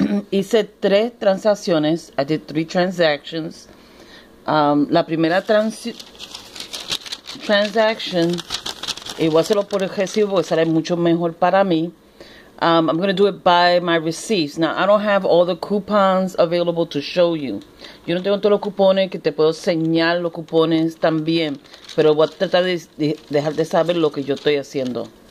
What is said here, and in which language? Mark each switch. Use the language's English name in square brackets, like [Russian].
[Spanish] hice tres transacciones, [English] I did three transactions. [Spanish] La primera transaction, y voy a hacerlo por el recibo porque sale mucho mejor para mí. [English] I'm going to do it by my receipts. Now, I don't have all the coupons available to show you. [Spanish] Yo no tengo todos los cupones que te puedo enseñar los cupones también. Pero voy a tratar de dejar de saber lo que yo estoy haciendo.